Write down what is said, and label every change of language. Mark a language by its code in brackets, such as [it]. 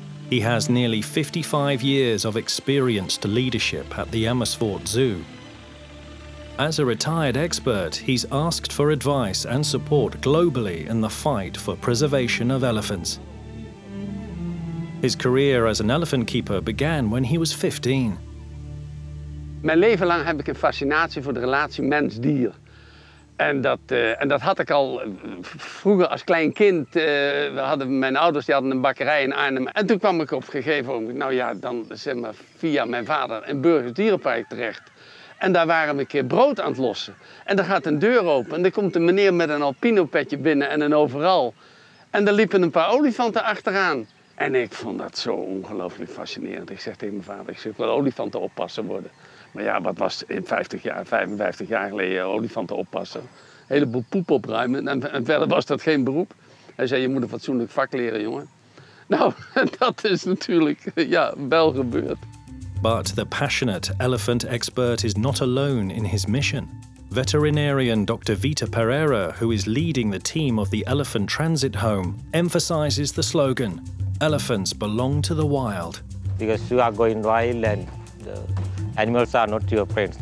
[en] He has nearly 55 years of experienced leadership at the Amersfoort Zoo. As a retired expert, he's asked for advice and support globally in the fight for preservation of elephants. His career as an elephant keeper began when he was 15. [nl] Mijn leven lang heb ik een fascinatie voor de relatie mens-dier. En dat had ik al vroeger als klein kind. Mijn ouders die hadden een bakkerij in Arnhem. En toen kwam ik op gegeven moment, via mijn vader in Burgers Dierenpark terecht. En daar waren we een keer brood aan het lossen. En daar gaat een deur open en er komt een meneer met een alpinopetje binnen en een overal. En er liepen een paar olifanten achteraan. En ik vond dat zo ongelooflijk fascinerend. Ik zeg tegen mijn vader, ik wil olifantenoppasser worden. Maar ja, wat was in 50 jaar, 55 jaar geleden olifanten oppassen? Een heleboel poep opruimen en verder was dat geen beroep. Hij zei, je moet een fatsoenlijk vak leren, jongen. Nou, dat is natuurlijk ja, wel gebeurd. [en] But the passionate elephant expert is not alone in his mission. Veterinarian Dr. Vita Pereira, who is leading the team of the Elephant Transit Home, emphasizes the slogan, elephants belong to the wild. Because you are going wild and the animals are not your friends.